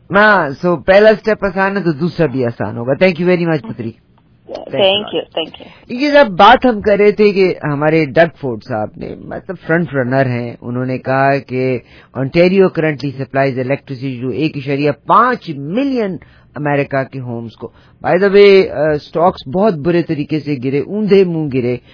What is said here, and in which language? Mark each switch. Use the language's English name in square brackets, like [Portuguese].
[Hindi] हाँ, so पहला step आसान है तो दूसरा भी आसान होगा. [English] Thank you very much, Patri. Thank you. [Hindi] जब बात हम कर रहे थे कि हमारे डग फोर्ड साहब ने मतलब फ्रंट रनर हैं, उन्होंने कहा कि Ontario [English] currently supplies electricity to 1.5 million [Hindi] America के होम्स को. [English] by the way [Hindi] स्टॉक्स बहुत बुरे तरीके से गिरे, ऊंधे मुंह गिरे.